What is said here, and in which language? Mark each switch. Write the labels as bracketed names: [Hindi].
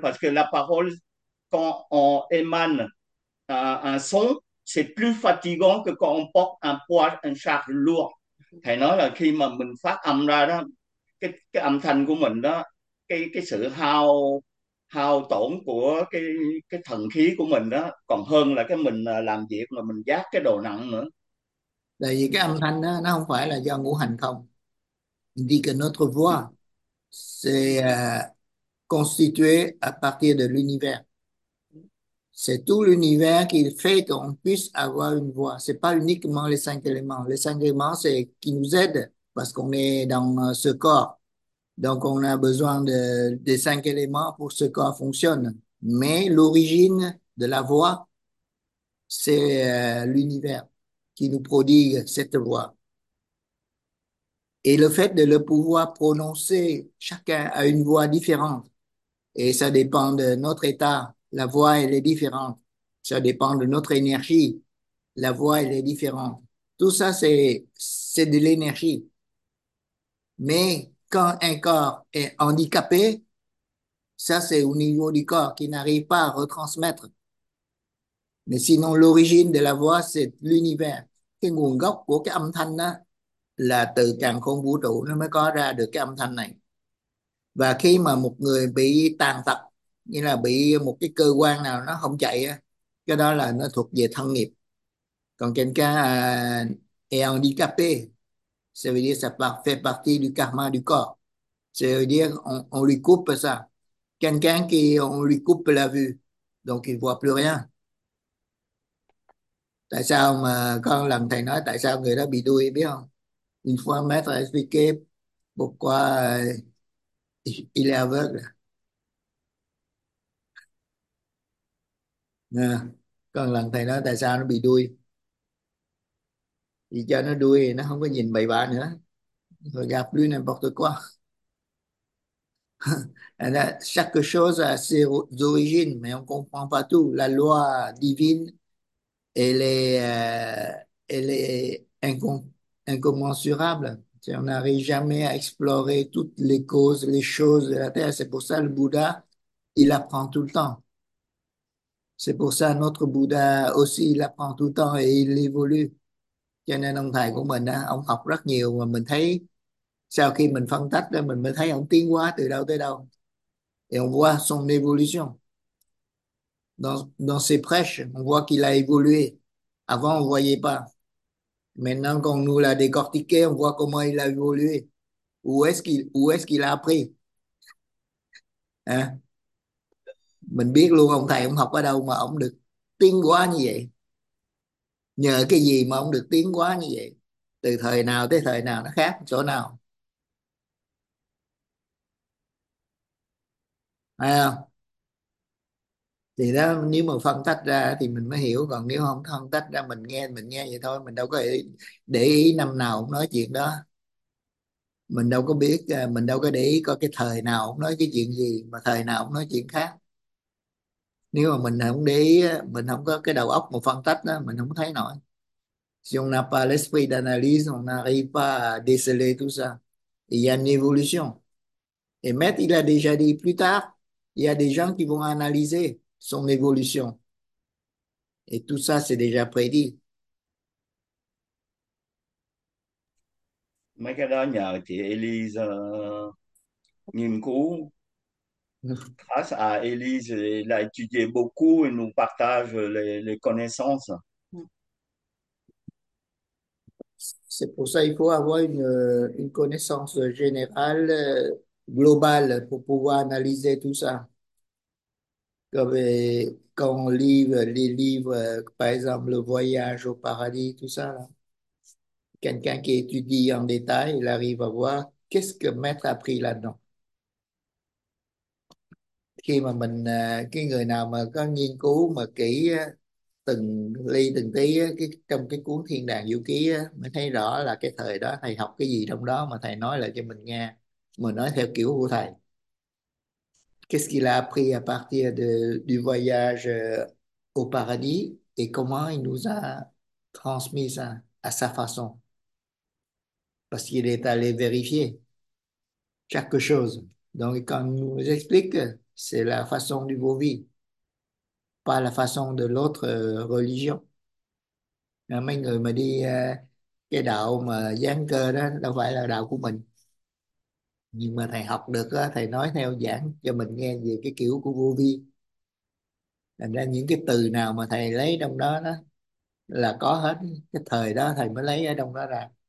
[French] Parce que la parole, quand on émane un son, c'est plus fatigant que quand on porte un poids, une charge lourde. [Vietnamese] Thầy nói là khi mà mình phát âm ra đó, cái âm thanh của mình đó, cái sự hao hao tổn của cái thần khí của mình đó, còn hơn là cái mình làm việc mà mình vác cái đồ nặng nữa. Tại vì cái âm thanh đó, nó không phải là do ngũ hành không. [French] Il dit que notre voix, c'est constitué à partir de l'univers. C'est tout l'univers qui fait qu'on puisse avoir une voix. Ce n'est pas uniquement les cinq éléments. Les cinq éléments, c'est qui nous aide parce qu'on est dans ce corps. Donc, on a besoin des cinq éléments pour que ce corps fonctionne. Mais l'origine de la voix, c'est l'univers qui nous prodigue cette voix. Et le fait de le pouvoir prononcer, chacun a une voix différente. Et ça dépend de notre état. La voix, elle est différente. Ça dépend de notre énergie. La voix, elle est différente. Tout ça, c'est de l'énergie. Mais quand un corps est handicapé, ça, c'est au niveau du corps qui n'arrive pas à retransmettre. Mais sinon, l'origine de la voix, c'est l'univers. [Vietnamese] Cái nguồn gốc của cái âm thanh đó là từ càn khôn vũ trụ nó mới có ra được cái âm thanh này. Và khi mà một người bị tàn tật, như là bị một cái cơ quan nào nó không chạy á, cái đó là nó thuộc về thân nghiệp. Còn trên cái [French] handicapé, ça veut dire ça fait partie du karma du corps. Ça veut dire on lui coupe ça. Quelqu'un qui on lui coupe la vue, donc il voit plus rien. [Vietnamese] Tại sao mà con làm thầy nói tại sao người đó bị đuôi biết không? [French] Une fois maître a expliqué pourquoi il est aveugle. [Vietnamese] Nè, con lần thầy nói tại sao nó bị đuôi. Vì cho nó đuôi nó không có nhìn bậy bạ nữa. Rồi gặp lui [French] n'importe quoi. Chaque chose a ses origines, mais on comprend pas tout. La loi divine, elle est incommensurable. On n'arrive jamais à explorer toutes les causes, les choses de la Terre. C'est pour ça que le Bouddha, il apprend tout le temps. C'est pour ça notre Bouddha aussi, il apprend tout le temps et il évolue. [Vietnamese] Cho nên ông thầy của mình, ông học rất nhiều mà mình thấy sau khi mình phân tích ra mình mới thấy ông tiến hóa từ đâu tới đâu. [French] Et on voit son évolution. Dans ses prêches, on voit qu'il a évolué. Avant, on ne voyait pas. Maintenant qu'on nous l'a décortiqué, on voit comment il a évolué. Où est-ce qu'il a appris? Hein? [Vietnamese] Mình biết luôn ông thầy ông học ở đâu mà ông được tiến hóa như vậy. Nhờ cái gì mà ông được tiến hóa như vậy? Từ thời nào tới thời nào nó khác chỗ nào? Hay không? Thì đó, nếu mà phân tách ra thì mình mới hiểu, còn nếu không phân tách ra mình nghe vậy thôi, mình đâu có để ý năm nào cũng nói chuyện đó. Mình đâu có biết, mình đâu có để ý có cái thời nào cũng nói cái chuyện gì mà thời nào cũng nói chuyện khác. Nếu mà mình không để ý, mình không có cái đầu óc mà phân tách đó, mình không thấy nổi. [French] Si on n'a pas l'esprit d'analyse, on n'arrive pas à déceler tout ça. Il y a une évolution. Et Maître, il a déjà dit plus tard, il y a des gens qui vont analyser son évolution. Et tout ça, c'est déjà prédit. [Vietnamese] Mấy cái đó nhờ chị Elise nghiên cứu. [French] Grâce à Elise, elle a étudié beaucoup et nous partage les connaissances. C'est pour ça qu'il faut avoir une connaissance générale, globale, pour pouvoir analyser tout ça. Quand on lit les livres, par exemple Le Voyage au Paradis, tout ça, là, quelqu'un qui étudie en détail, il arrive à voir qu'est-ce que Maître a pris là-dedans. [Vietnamese] Khi mà mình, cái người nào mà có nghiên cứu mà kỹ từng ly từng tí trong cái cuốn Thiên Đàng Du Ký á, mới thấy rõ là cái thời đó thầy học cái gì trong đó mà thầy nói lại cho mình nghe, mình nói theo kiểu của thầy. [French] Qu'est-ce qu'il a appris à partir du voyage au paradis et comment il nous a transmis ça à sa façon? Parce qu'il est allé vérifier chaque chose. Donc, quand il nous explique, c'est la façon du Bovi, pas la façon de l'autre religion. [Vietnamese] Mấy người mà đi cái đạo mà giáng cơ đó đâu phải là đạo của mình. Nhưng mà thầy học được á, thầy nói theo giảng cho mình nghe về cái kiểu của vô vi. Thành ra những cái từ nào mà thầy lấy trong đó đó là có hết, cái thời đó thầy mới lấy ở trong đó ra.